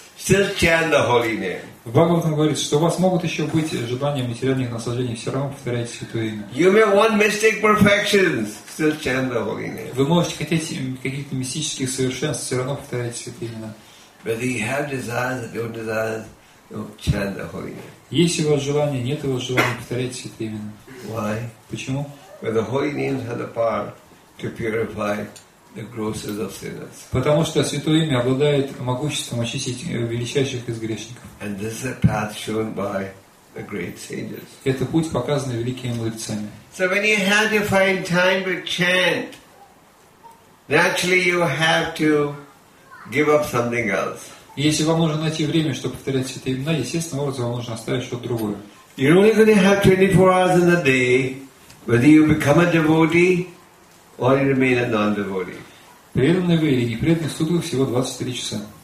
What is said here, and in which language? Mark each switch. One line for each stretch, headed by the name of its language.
English: Still chant the holy name."
Russian: В Бхагаватам говорится, что у вас могут еще быть желания материальных наслаждений, все равно повторяйте святое имя.
English: You may want mystic perfections. Still chant the holy name.
Russian: Вы можете хотеть каких-то мистических совершенств, все равно повторяйте святое имя.
English: But if you have desires, if you have desires, you chant the holy name.
Russian: Если у вас желание, нет у вас желания, повторяйте святое имя.
English: Why?
Russian: Почему?
English: Because the holy names have the power to purify the grosses of sinners.
Russian: Потому что святое имя обладает могуществом очистить величайших из грешников.
English: And this is a path shown by the great sages.
Russian: Это путь, показанный великими мудрецами.
English: So when you have to find time to chant, naturally you have to give up something else.
Russian: Если вам нужно найти время, чтобы повторять святые имена, естественным образом вам нужно оставить что-то другое.
English: You're only going to have 24 hours in a day, whether you become a devotee or you remain a non-devotee.
Russian: Преданный вы или непреданный, сутки всего 24 часа.